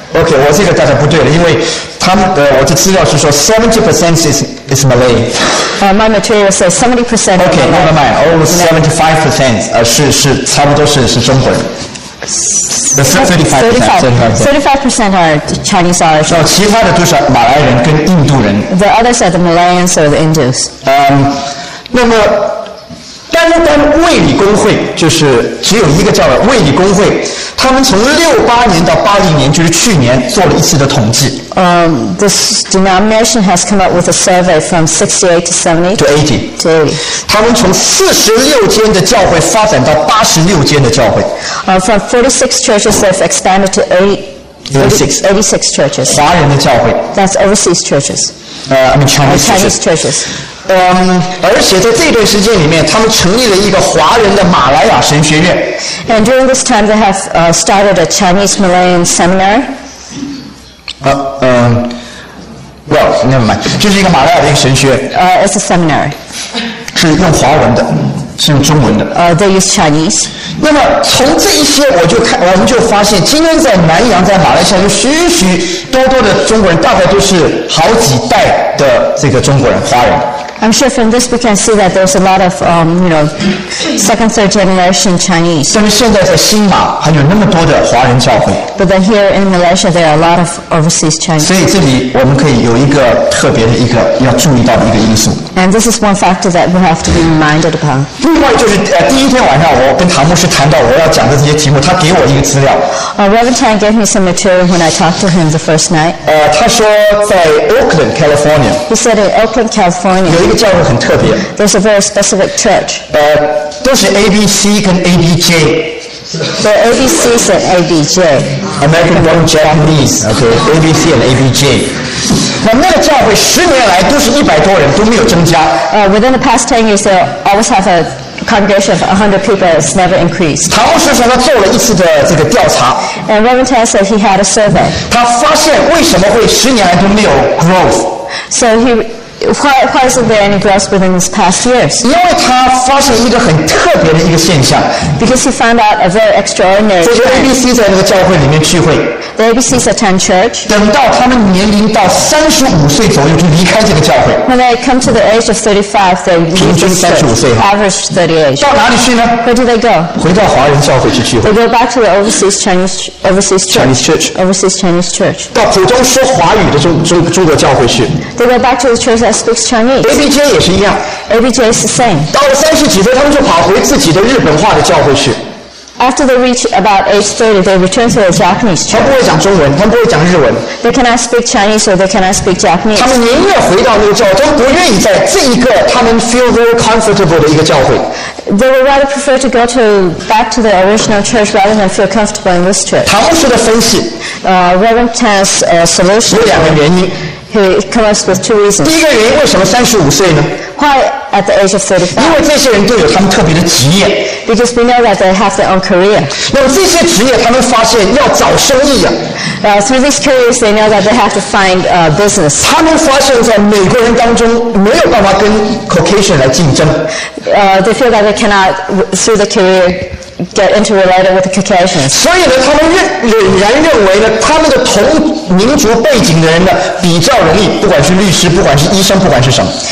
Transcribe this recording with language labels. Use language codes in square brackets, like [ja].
[zh] Okay, 我这个大家不对了，因为他们我的资料是说 [en] 70% is Malay. My material says 70%. Okay, never mind. [zh] Oh, 75% 是差不多是中国人。 [en] The 35% are Chinese Irish. [zh] 其他的都是马来人跟印度人。 [en] The others are the Malayans or the Indians. [zh] 那么单单卫理公会就是只有一个叫卫理公会，他们从68年到80年，就是去年做了一次的统计。 [en] This denomination has come up with a survey from 68 to 70 to 80. [zh] 他们从46间的教会发展到86间的教会。 [en] From 46 churches they've expanded to 86 churches. [zh] 华人的教会。 [en] That's overseas churches. Chinese churches. [zh] 而且在这段时间里面，他们成立了一个华人的马来亚神学院。 [en] And during this time, they have started a Chinese Malayan seminary. Well, never mind. [zh] 这是一个马来亚的一个神学院。 [en] It's a seminary. [zh] 是用华文的，是用中文的。 [en] They use Chinese. [zh] 那么从这一些，我们就发现，今天在南洋，在马来西亚，有许许多多的中国人，大概都是好几代的这个中国人，华人。 [en] I'm sure from this we can see that there's a lot of, second, third generation Chinese. [zh] 但是现在在新马还有那么多的华人教会。 [en] But then here in Malaysia, there are a lot of overseas Chinese. [zh] 所以这里我们可以有一个特别的一个要注意到的一个因素。 [en] And this is one factor that we have to be reminded upon. [zh] 另外就是第一天晚上我跟唐牧师谈到我要讲的这些题目，他给我一个资料。 [en] Reverend Tan gave me some material when I talked to him the first night. [zh] 他说在 Oakland, California. [en] He said in Oakland, California. [zh] 一个教会很特别。 [en] There's a very specific church. [zh] 都是 ABC 跟 ABJ. [en] The ABCs and ABJ. American born Japanese. Okay, ABC and ABJ. [zh] 那个教会十年来都是100多人，都没有增加。 [en] Within the past 10 years, they always have a congregation of 100 people. It's never increased. [zh] 唐牧师说他做了一次的这个调查。 [en] And Reverend Tan said he had a survey. [zh] 他发现为什么会十年来都没有 growth. [en] So he Why isn't there any growth within these past years? [zh] 因为他发现一个很特别的一个现象。 [en] Because he found out a very extraordinary. [zh] 这些 ABC 在那个教会里面聚会。 [en] The ABCs attend church. [zh] 等到他们年龄到35岁左右，就离开这个教会。 [en] When they come to the age of 35, they leave. [zh] 平均35岁。 [en] Average 38. [zh] 到哪里去呢 [en] ？Where do they go？ [zh] 回到华人教会去聚会。 [en] They go back to the overseas Chinese church. Overseas Chinese church. [zh] 到普通说华语的中国教会去。 [en] They go back to the church that speaks Chinese. [zh] ABJ 也是一样。 [en] ABJ is the same. [zh] 到了30几岁，他们就跑回自己的日本化的教会去。 [en] After they reach about age 30, they return to the Japanese church. [zh] 他不会讲中文，他不会讲日文。 [en] They cannot speak Chinese or they cannot speak Japanese. [zh] 他们宁愿回到那个教会，他们不愿意在这一个他们 [en] feel very comfortable [zh] 的一个教会。 [en] They would rather prefer to go to back to the original church rather than feel comfortable in this church. [zh] 唐牧师的分析。 [en] Reverend Tan's solution. [zh] 有两个原因。 [en] He comes with two reasons. [zh] 第一个原因，为什么35岁呢？ [en] Why at the age of 35? [zh] 因为这些人都有他们特别的职业。 [en] Because we know that they have their own career. [zh] 那么这些职业，他们发现要找生意啊。 [en] Through these careers, they know that they have to find business. [zh] 他们发现在美国人当中没有办法跟 Caucasian 来竞争。 [en] They feel that they cannot through the career get interrelated with the Caucasians. [zh] 所以呢，他们仍然认为呢，他们的同民族背景的人呢，比较容易，不管是律师，不管是医生，不管是什么。